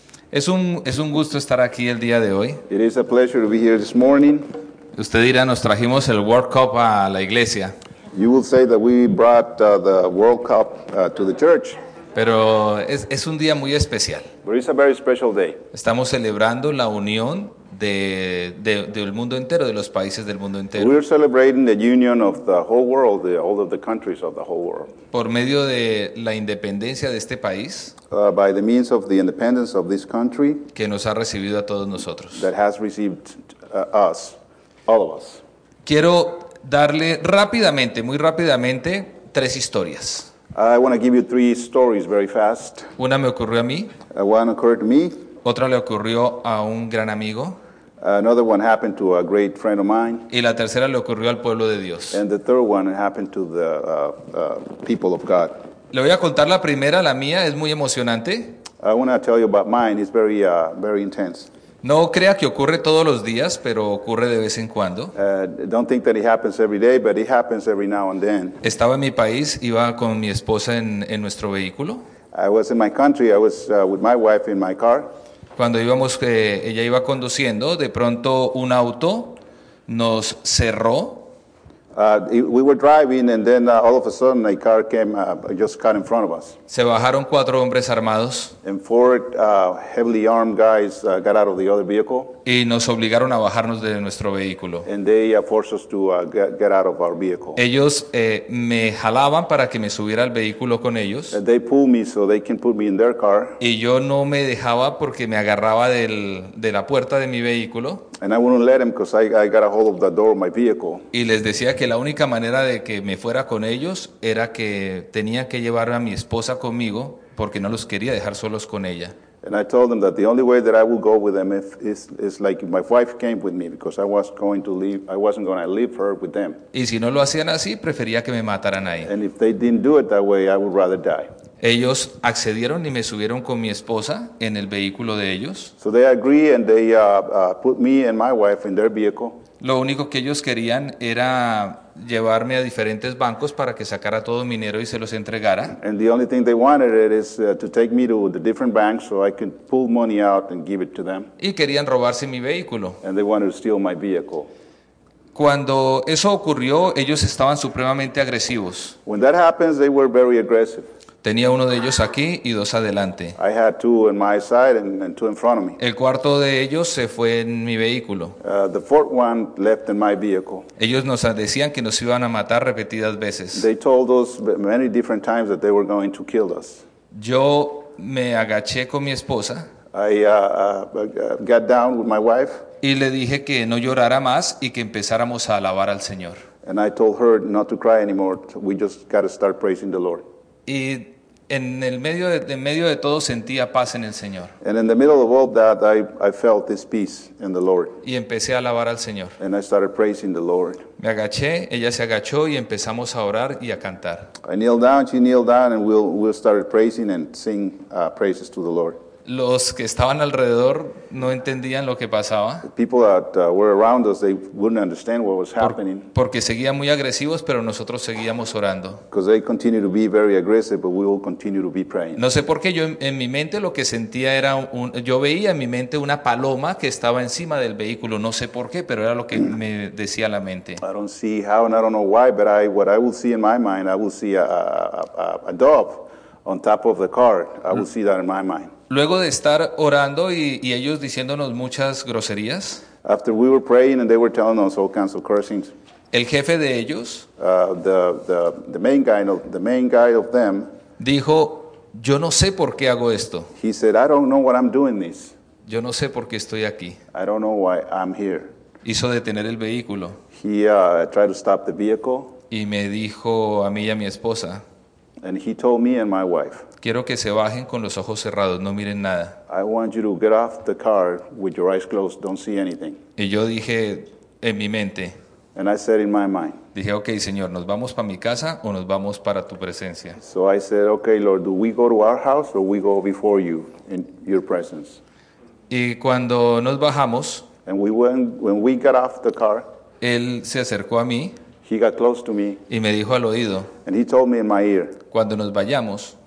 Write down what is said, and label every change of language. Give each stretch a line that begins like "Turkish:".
Spanish: Es un gusto estar aquí el día de hoy.
English: It is a pleasure to be here this morning.
Spanish: Usted dirá, nos trajimos el World Cup a la iglesia.
English: You will say that we brought the World Cup to the church.
Spanish: Pero es un día muy especial.
English: But it's a very special day.
Spanish: Estamos celebrando la unión del mundo entero, de los países del mundo entero.
English: We are celebrating the union of the whole world, all of the countries of the whole world.
Spanish: Por medio de la independencia de este país.
English: By the means of the independence of this country.
Spanish: Que nos ha recibido a todos nosotros.
English: That has received us, all of us.
Spanish: Quiero darle rápidamente, muy rápidamente, tres historias.
English: I want to give you three stories very fast.
Spanish: Una me ocurrió a mí.
English: One occurred to me.
Spanish: Otra le ocurrió a un gran amigo.
English: Another one happened to a great friend of mine.
Spanish: Y la tercera le ocurrió al pueblo de Dios.
English: And the third one happened to the people of God.
Spanish: Le voy a contar la primera, la mía, es muy emocionante.
English: I want to tell you about mine. It's very, very intense.
Spanish: No crea que ocurre todos los días, pero ocurre de vez en cuando.
English: Don't think that it happens every day, but it happens every now and then.
Spanish: Estaba en mi país, iba con mi esposa en nuestro vehículo.
English: I was in my country. I was with my wife in my car.
Spanish: Cuando íbamos, ella iba conduciendo, de pronto un auto nos cerró.
English: We were driving and then all of a sudden a car came, just cut in front of us.
Spanish: Se bajaron cuatro hombres armados.
English: And four heavily armed guys got out of the other vehicle.
Spanish: Y nos obligaron a bajarnos de nuestro vehículo.
English: And they forced us to get out of our vehicle.
Spanish: Ellos me jalaban para que me subiera al vehículo con ellos.
English: And they pulled me so they can put me in their car.
Spanish: Y yo no me dejaba porque me agarraba de la puerta de mi vehículo.
English: And I wouldn't let them because I got a hold of the door of my vehicle.
Spanish: Y les decía que la única manera de que me fuera con ellos era que tenía que llevar a mi esposa conmigo porque no los quería dejar solos con ella.
English: And I told them that the only way that I would go with them is like my wife came with me because I wasn't going to leave her with them.
Spanish: Y si no lo hacían así, prefería que me mataran ahí.
English: And if they didn't do it that way, I would rather die.
Spanish: Ellos accedieron y me subieron con mi esposa en el vehículo de ellos.
English: So they agree and they put me and my wife in their vehicle.
Spanish: Lo único que ellos querían era llevarme a diferentes bancos para que sacara todo mi dinero y se los entregara.
English: And the only thing they wanted is to take me to the different banks so I could pull money out and give it to them.
Spanish: Y querían robarse mi vehículo.
English: And they wanted to steal my vehicle.
Spanish: Cuando eso ocurrió, ellos estaban supremamente agresivos.
English: When that happens, they were very aggressive.
Spanish: Tenía uno de ellos aquí y dos adelante.
English: I had two on my side and two in front of me.
Spanish: El cuarto de ellos se fue en mi vehículo.
English: The fourth one left in my vehicle.
Spanish: Ellos nos decían que nos iban a matar repetidas veces.
English: They told us many different times that they were going to kill us.
Spanish: Yo me agaché con mi esposa.
English: I got down with my wife.
Spanish: Y le dije que no llorara más y que empezáramos a alabar al Señor.
English: And I told her not to cry anymore. We just got to start praising the Lord.
Spanish: Y en el medio de medio de todo sentía paz en el Señor.
English: And in the middle of all that, I felt this peace in the Lord.
Spanish: Y empecé a alabar al Señor.
English: And I started praising the Lord.
Spanish: Me agaché, ella se agachó y empezamos a orar y a cantar.
English: I kneeled down, she kneeled down, and we started praising and sing praises to the Lord.
Spanish: Los que estaban alrededor no entendían lo que pasaba.
English: The people that were around us, they wouldn't understand what was happening.
Spanish: Porque seguían muy agresivos, pero nosotros seguíamos orando.
English: Because they continue to be very aggressive, but we will continue to be praying.
Spanish: No sé por qué yo en mi mente lo que sentía era yo veía en mi mente una paloma que estaba encima del vehículo. No sé por qué, pero era lo que me decía la mente.
English: I don't see how and I don't know why, but what I will see in my mind, I will see a dove on top of the car. I will see that in my mind.
Spanish: Luego de estar orando y ellos diciéndonos muchas groserías,
English: after we were praying and they were telling us all kinds of cursings,
Spanish: el jefe de ellos,
English: the main guy of them,
Spanish: dijo, yo no sé por qué hago esto.
English: He said, I don't know what I'm doing this.
Spanish: Yo no sé por qué estoy aquí.
English: I don't know why I'm here.
Spanish: Hizo detener el vehículo.
English: He tried to stop the vehicle.
Spanish: Y me dijo a mí y a mi esposa,
English: and he told me and my wife,
Spanish: quiero que se bajen con los ojos cerrados, no miren nada.
English: I want you to get off the car with your eyes closed, don't see anything.
Spanish: Y yo dije en mi mente,
English: and I said in my mind,
Spanish: dije, okay, Señor, ¿nos vamos para mi casa o nos vamos para tu presencia?
English: So I said, okay, Lord, do we go to our house or we go before you in your presence?
Spanish: Y cuando nos bajamos,
English: and when we got off the car,
Spanish: él se acercó a mí.
English: He got close to me,
Spanish: y me dijo al oído,
English: and he told me in my ear,
Spanish: cuando nos vayamos,